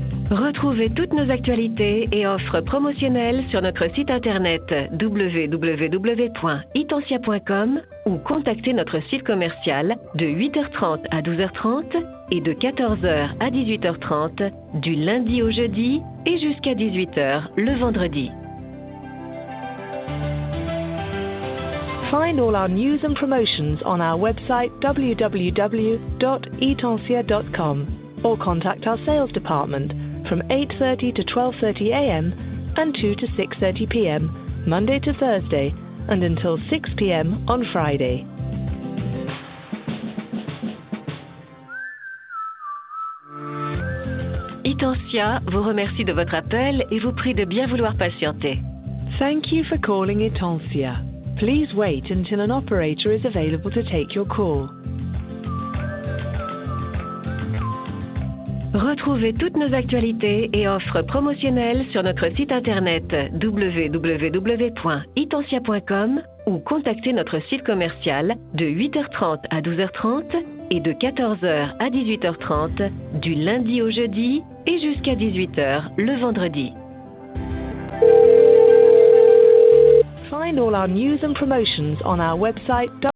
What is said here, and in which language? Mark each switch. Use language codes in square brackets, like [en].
[fr] Retrouvez toutes nos actualités et offres promotionnelles sur notre site internet www.itancia.com ou contactez notre site commercial de 8h30 à 12h30 et de 14h à 18h30 du lundi au jeudi et jusqu'à 18h le vendredi. [en] Find all our news and promotions on our website www.itancia.com or contact our sales department from 8:30 to 12:30 a.m. and 2 to 6:30 p.m. Monday to Thursday and until 6 p.m. on Friday. [fr] Itancia vous remercie de votre appel et vous prie de bien vouloir patienter. [en] Thank you for calling Itancia. Please wait until an operator is available to take your call. [fr] Retrouvez toutes nos actualités et offres promotionnelles sur notre site internet www.itancia.com ou contactez notre site commercial de 8h30 à 12h30 et de 14h à 18h30 du lundi au jeudi et jusqu'à 18h le vendredi. [en] Find all our news and promotions on our website.